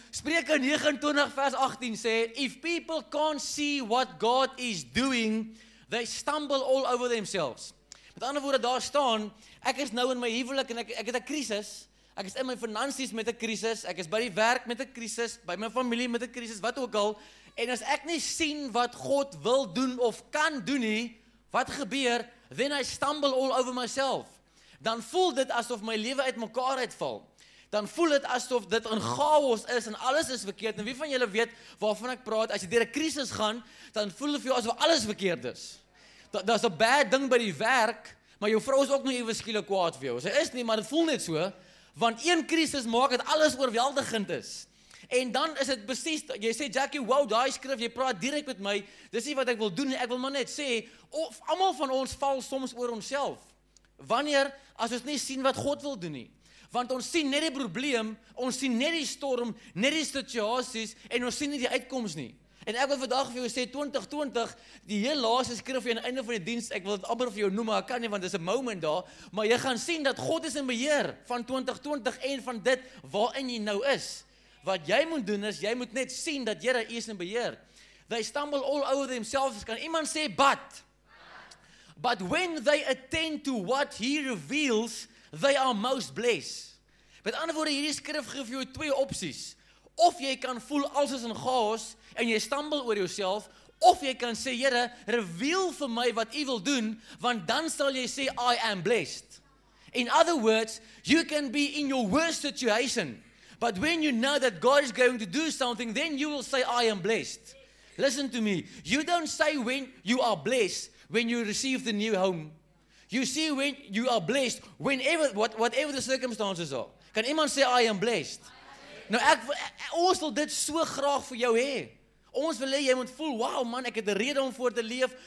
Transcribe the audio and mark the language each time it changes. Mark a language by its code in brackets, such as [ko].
[af] Spreuke 29 vers 18 sê, [en] if people can't see what God is doing, They stumble all over themselves. [af] Met ander woorde, daar staan, ek is nou in my huwelik en ek het 'n krisis. Ek is in my finansies met 'n krisis, ek is by die werk met 'n krisis, by my familie met 'n krisis, wat ook al. En as ek nie sien wat God wil doen of kan doen nie, wat gebeur? [en] Then I stumble all over myself. [af] Dan voel dit asof my lewe uit mekaar uitval. Dan voel dit asof dit in chaos is en alles is verkeerd. En wie van julle weet waarvan ek praat, as jy deur 'n krisis gaan, dan voel dit vir jou asof alles verkeerd is. Dat is 'n bad ding by die werk, maar jou vrou is ook nou ewe skielik kwaad vir jou. Sy is nie, maar dit voel net so, want een krisis maak dat alles oorweldigend is. En dan is dit presies, jy sê, Jackie, wow, daai skrif, jy praat direk met my, dis nie wat ek wil doen, ek wil maar net sê, of almal van ons val soms oor onsself. Wanneer, as ons nie sien wat God wil doen nie. Want ons sien net die probleem, ons sien net die storm, net die situasies, en ons sien nie die uitkoms nie. En ek wil vandag vir jou sê, 2020, die heel laaste skrif aan die einde van die diens, ek wil dit amper vir jou noem, maar ek kan nie, want dit is 'n moment daar, maar jy gaan sien dat God is in beheer van 2020 en van dit waarin jy nou is. Wat jy moet doen is, jy moet net sien dat Here is in beheer. [en] They stumble all over themselves. [af] Kan iemand sê, [en] but when they attend to what he reveals, they are most blessed. [af] Met ander woorde, hierdie skrif gee vir jou twee opsies. Of jy kan voel alles is in chaos en jy stumble oor jouself, of jy kan sê, Here, reveal vir my wat u wil doen, want dan sal jy sê, [en] I am blessed. In other words, you can be in your worst situation. But when you know that God is going to do something, then you will say, I am blessed. Listen to me. You don't say when you are blessed when you receive the new home. You see when you are blessed whenever, whatever the circumstances are. Can anyone say, I am blessed? [af] Nou, ons wil dit so graag vir jou hê. Ons wil hê, jy moet voel, wow man, ek het 'n rede om voor te leef.